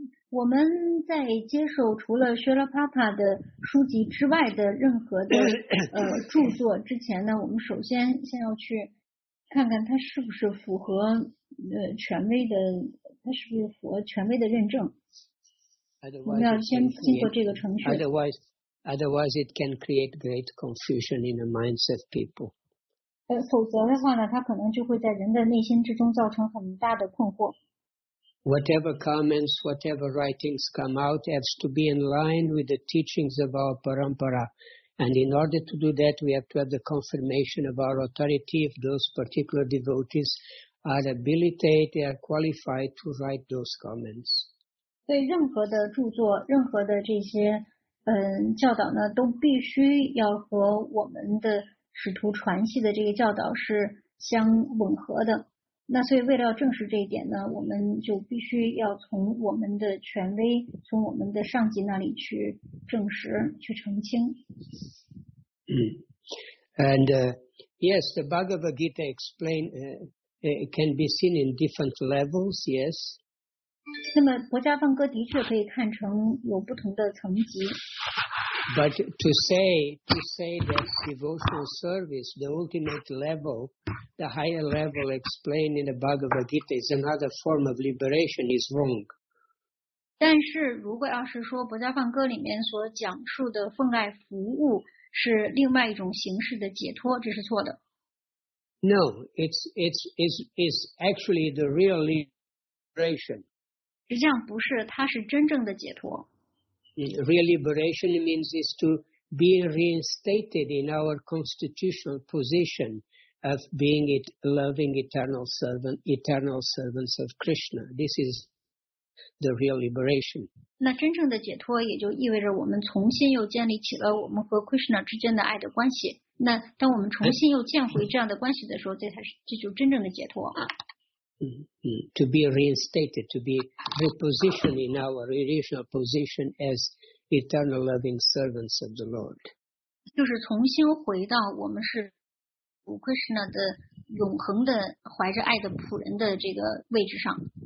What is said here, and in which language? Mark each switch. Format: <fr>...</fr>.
<zh>我们在接受除了 Srila Prabhupada 的书籍之外的任何的著作之前呢，我们首先先要去看看它是不是符合权威的。它是不是符合权威的认证？我们要先经过这个程序。</zh> <en>Otherwise, it can create great confusion in the minds of people.</en> <zh>否则的话呢，它可能就会在人的内心之中造成很大的困惑。</zh> <en>Whatever comments, whatever writings come out has to be in line with the teachings of our parampara. And in order to do that, we have to have the confirmation of our authority of those particular devotees. Are abilitated, they are qualified to write those comments.</en> <zh>对任何的著作，任何的这些教导呢，都必须要和我们的使徒传系的这个教导是相吻合的。那所以为了要证实这一点呢，我们就必须要从我们的权威，从我们的上级那里去证实，去澄清。</zh> <en>Yes, the Bhagavad Gita explain. It can be seen in different levels, yes.</en> <zh>那么国家放歌的确可以看成有不同的层级。</zh> <en>But to say that devotional service, the ultimate level, the higher level explained in the Bhagavad Gita is another form of liberation is wrong.</en> <zh>但是如果要是说《博家梵歌》里面所讲述的奉爱服务是另外一种形式的解脱，这是错的。</zh> <en>No, it's actually the real liberation.</en> <zh>实际上不是，它是真正的解脱。</zh> <en>Real liberation means is to be reinstated in our constitutional position of being it loving eternal servants of Krishna. This is the real liberation.</en> <zh>那真正的解脱也就意味着我们重新又建立起了我们和 Krishna 之间的爱的关系。那当我们重新又建回这样的关系的时候，这就真正的解脱。</zh> <en>To be reinstated, to be repositioned in our original position as eternal loving servants of the Lord.</en> <zh>就是重新回到我们是 Krishna 的永恒的怀着爱的仆人的这个位置上。</zh>